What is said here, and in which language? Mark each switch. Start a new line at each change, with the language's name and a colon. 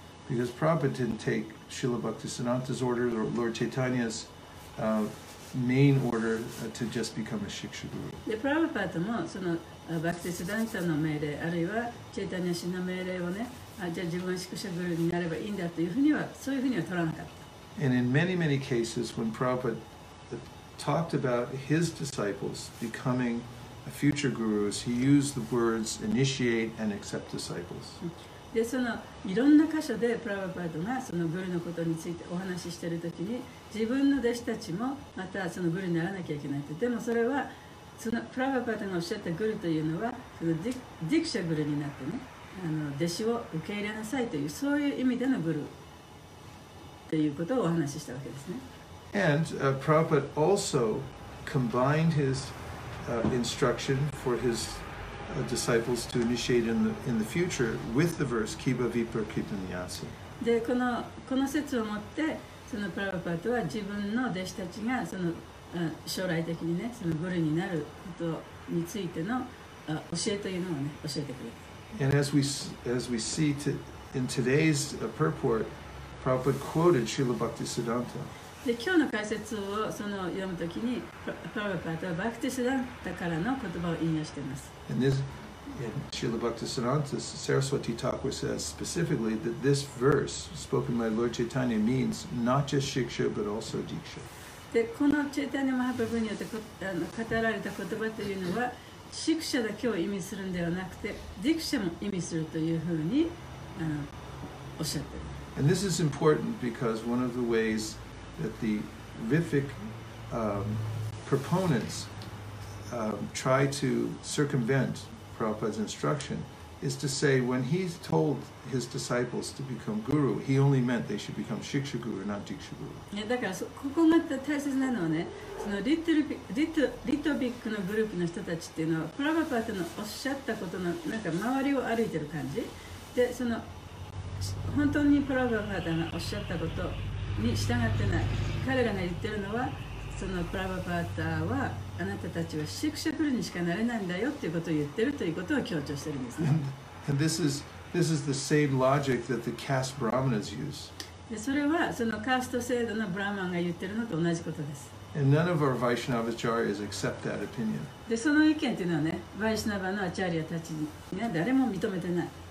English: Because Prabhupada didn't take Srila Bhaktisiddhanta's order or Lord Chaitanya's main order to just become a shiksha guru.
Japanese: で、プラバパーダもそのバクティスダンタの命令あるいはチェイタニア氏の命令をね、あ、じゃあ自分はシクシャグルになればいいんだというふうにはそういうふうには取らなかった。
English: And in many many cases when Prabhupada talked about his disciples becoming a future gurus, he used the words initiate and accept disciples.
Japanese: で、そのいろんな箇所でプラバパーダがそのグルのことについてお話ししているときに、自分の弟子たちもまたそのグルにならなきゃいけないと。でもそれはそのプラバパーダがおっしゃったグルというのはそのディクシャグルになってね、あの弟子を受け入れなさいという、そういう意味でのグルということをお話ししたわけですね。
English: And Prabhupada also combined his instruction for his disciples to initiate in the future with the verse Kiba Vipra Kipanyasa.
Japanese: で、この説をもって、そのプラバパーダは自分の弟子たちがその将来的にね、そのグルになることについての教えというのをね、教えてくれた。
English: And as we see in today's purport, Prabhupada quoted Srila Bhaktisiddhanta.
Japanese: で、今日の解説をその読むときにプラバパーダはバクティスダンタからの言葉を引用しています。
English: Srila Bhaktisiddhanta Saraswati Thakur says specifically that this verse spoken by Lord Chaitanya means not just shiksha but also diksha.
Japanese: で、このチェイタニア・マハプラブーによって語られた言葉というのはシクシャだけを意味するのではなくてディクシャも意味するというふうにおっしゃっている。
English: And this is important because one of the waysthat the Vipic proponents try to circumvent Prabhupada's instruction is to say when he told his disciples to become guru, he only meant they should become shiksha guru, not diksha guru.
Japanese: だから、ここが大切なのはね、そのリトビックのグループの人たちっていうのは、プラバパーダのおっしゃったことのなんか周りを歩いてる感じ。で、その本当にプラバパーダがおっしゃったこと、に従ってない。彼らが言ってるのはそのプラバパーダはあなたたちはシクシャグルにしかなれないんだよっていうことを言ってるということを強調してるんですね。
English: And this is the same logic that the caste brahmanas use.
Japanese: で、それはそのカースト制度のブラーマンが言ってるのと同じことです。
English: And none of our Vaishnava acharyas accept that opinion.
Japanese: で、その意見っていうのはね、ヴァイシナヴァのアチャリアたちが誰も認めてない。